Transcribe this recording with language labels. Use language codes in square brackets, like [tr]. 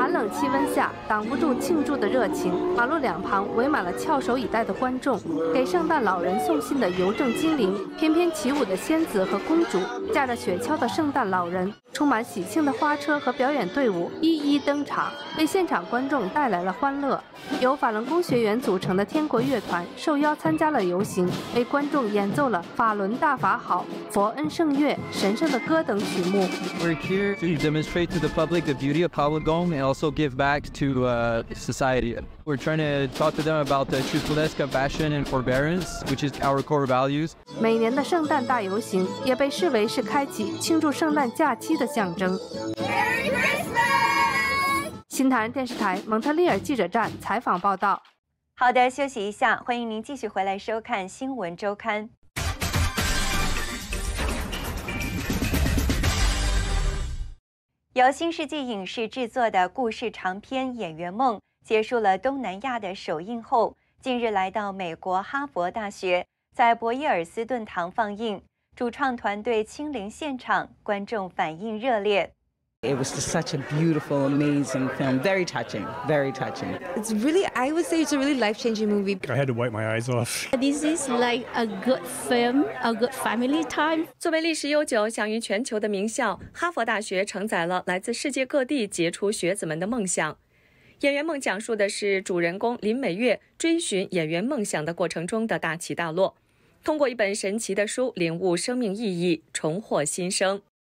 [zh] 气温下挡不住庆祝的热情，马路两旁围满了翘首以待的观众，给圣诞老人送信的邮政精灵，翩翩起舞的仙子和公主，驾着雪橇的圣诞老人，充满喜庆的花车和表演队伍一一登场，为现场观众带来了欢乐。由法轮功学员组成的天国乐团受邀参加了游行，为观众演奏了法轮大法好、佛恩圣乐、神圣的歌等曲目。 [en] We're here to demonstrate to the public the beauty of Falun Gong and also give back to society. We're trying to talk to them about the truthfulness, compassion, and forbearance, which is our core values. [zh] 每年的圣诞大游行也被视为是开启庆祝圣诞假期的象征。新唐人电视台蒙特利尔记者站采访报道。好的，休息一下，欢迎您继续回来收看新闻周刊。由新世纪影视制作的故事长篇《演员梦》结束了东南亚的首映后，近日来到美国哈佛大学，在博伊尔斯顿堂放映，主创团队亲临现场，观众反应热烈。 [en] It was just such a beautiful, amazing film. Very touching, very touching. It's really, I would say it's a really life-changing movie. I had to wipe my eyes off. This is like a good film, a good family time. [zh] 作为历史悠久、享誉全球的名校，哈佛大学承载了来自世界各地杰出学子们的梦想。演员梦讲述的是主人公林美月追寻演员梦想的过程中的大起大落，通过一本神奇的书领悟生命意义，重获新生。